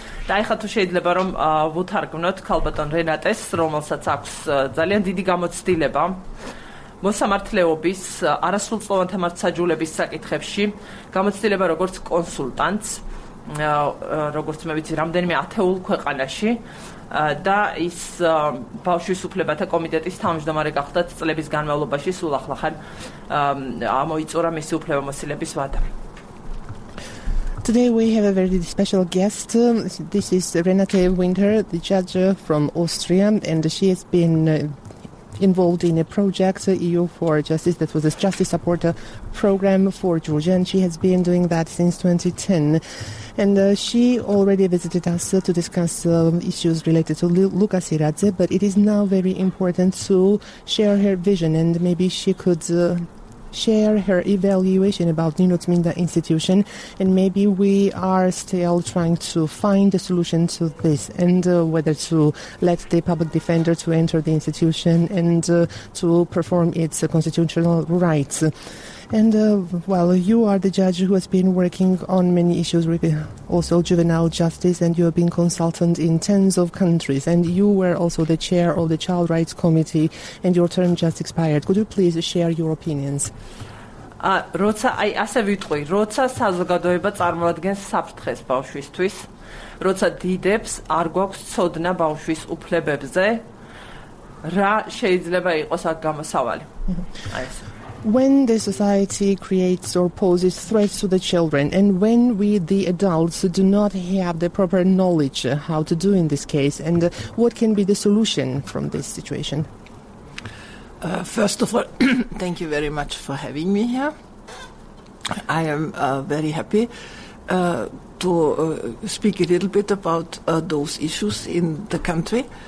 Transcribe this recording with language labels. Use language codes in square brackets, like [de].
[ka] და ეხლა თუ შეიძლება რომ ვუთარგმნოთ ქალბატონ რენატეს, რომელსაც აქვს ძალიან დიდი გამოცდილება მოსამართლეობის არასრულწლოვანთა მართსაჯულების საკითხებში, გამოცდილება როგორც კონსულტანტს, როგორც მე ვიცი რამდენიმე ათეულ ქვეყანაში, და ის ბავშვის უფლებათა კომიტეტის თავმჯდომარე გახლდათ წლების განმავლობაში, სულ ახლახან ამოიწურა მისი უფლებამოსილების ვადა. [en] Today we have a very special guest. This is Renate Winter, the judge from Austria, and she has been involved in a project, EU for Justice, that was a justice support program for Georgia, and she has been doing that since 2010. And she already visited us to discuss issues related to Lukas Iradze, but it is now very important to share her vision, and maybe she could share her evaluation about Nino Tminda institution, and maybe we are still trying to find a solution to this, and whether to let the public defender to enter the institution and to perform its constitutional rights. And well, you are the judge who has been working on many issues, also juvenile justice, and you have been consultant in tens of countries, and you were also the chair of the Child Rights Committee, and your term just expired. Could you please share your opinions? [ka] Როცა აი ასე ვიტყვი, როცა საზოგადოება წარმოადგენს საფრთხეს ბავშვისთვის, როცა დიდებს არ გვაქვს ცოდნა ბავშვის უფლებებზე, რა შეიძლება იყოს აქ გამოსავალი? აი ეს [en] when the society creates or poses threats to the children, and when we the adults do not have the proper knowledge how to do in this case, and what can be the solution from this situation? First of all, thank you very much for having me here. I am very happy to speak a little bit about those issues in the country.